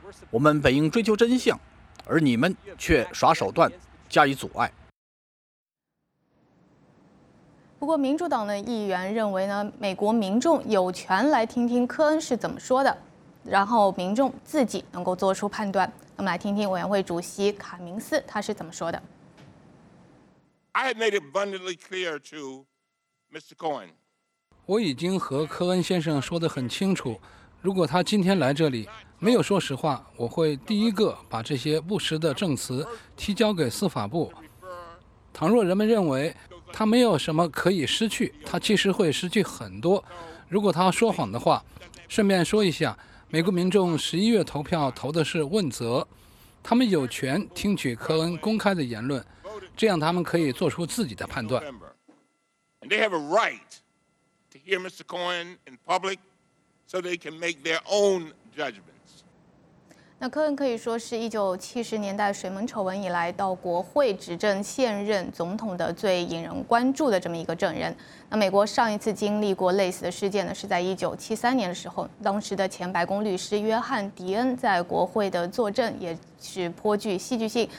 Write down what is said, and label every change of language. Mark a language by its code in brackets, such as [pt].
[zh] 我们本应追求真相，而你们却耍手段加以阻碍。不过民主党的议员认为呢，美国民众有权来听听科恩是怎么说的，然后民众自己能够做出判断。我们来听听委员会主席卡明斯他是怎么说的。 [en] I have made it abundantly clear to Mr. Cohen. [zh] 我已经和科恩先生说得很清楚，如果他今天来这里没有说实话，我会第一个把这些不实的证词提交给司法部。倘若人们认为他没有什么可以失去，他其实会失去很多。如果他说谎的话，顺便说一下，美国民众十一月投票投的是问责，他们有权听取科恩公开的言论，这样他们可以做出自己的判断。 [en] And they have a right to hear Mr. Cohen in public so they can make their own judgments. [zh] 那科恩可以说是1970年代水门丑闻以来到国会执政现任总统的最引人关注的这么一个证人。那美国上一次经历过类似的事件呢，是在1973年的时候，当时的前白宫律师约翰·迪恩在国会的作证也是颇具戏剧性。